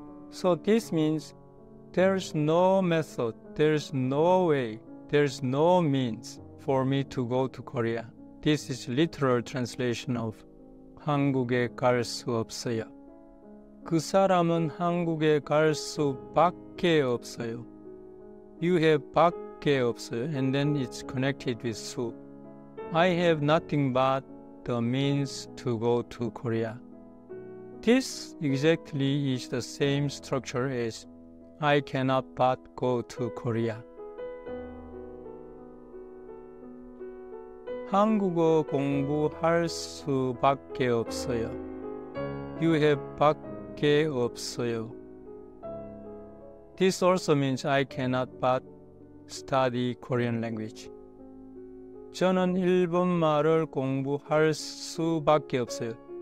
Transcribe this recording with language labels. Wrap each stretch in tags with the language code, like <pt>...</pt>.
<en>So this means there's no method, there's no way, there's no means for me to go to Korea. This is literal translation of</en> <ko>한국에 갈 수 없어요. 그 사람은 한국에 갈 수밖에 없어요.</ko> <en>You have</en> <ko>밖에 없어요.</ko> <en>And then it's connected with 수. I have nothing but the means to go to Korea. This exactly is the same structure as I cannot but go to Korea.</en> <ko>한국어 공부할 수밖에 없어요.</ko> <en>You have</en> <ko>밖에 없어요.</ko> <en>This also means I cannot but study Korean language.</en> <ko>저는 일본 말을 공부할 수밖에 없어요.</ko>